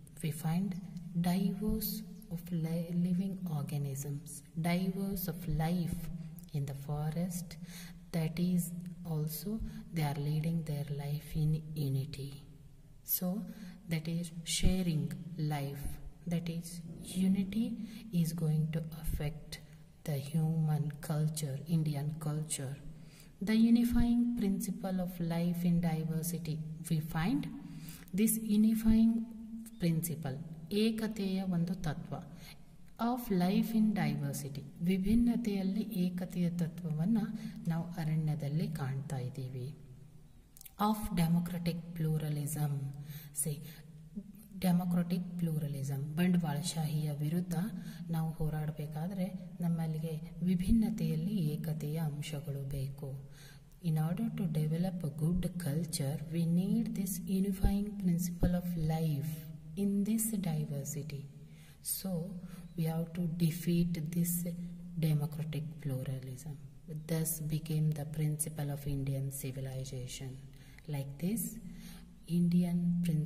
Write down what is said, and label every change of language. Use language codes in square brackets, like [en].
[en] We find diverse of living organisms, diverse of life in the forest, that is also they are leading their life in unity. So that is sharing life, that is unity is going to affect the human culture, Indian culture. The unifying principle of life in diversity, we find this unifying principle, [kn] ಏಕತೆಯ ಒಂದು ತತ್ವ, [en] of life in diversity, [kn] ವಿಭಿನ್ನತೆಯಲ್ಲಿ ಏಕತೆಯ ತತ್ವವನ್ನು ನಾವು ಅರಣ್ಯದಲ್ಲಿ ಕಾಣ್ತಾ ಇದ್ದೀವಿ. [en] of democratic pluralism, say democratic pluralism, [kn] ಬಂಡವಾಳಶಾಹಿಯ ವಿರುದ್ಧ ನಾವು ಹೋರಾಡಬೇಕಾದ್ರೆ ನಮ್ಮಲ್ಲಿಗೆ ವಿಭಿನ್ನತೆಯಲ್ಲಿ ಏಕತೆಯ ಅಂಶಗಳು ಬೇಕು. [en] In order to develop a good culture, we need this unifying principle of life in this diversity. So we have to defeat this democratic pluralism. Thus became the principle of Indian civilization. Like this, Indian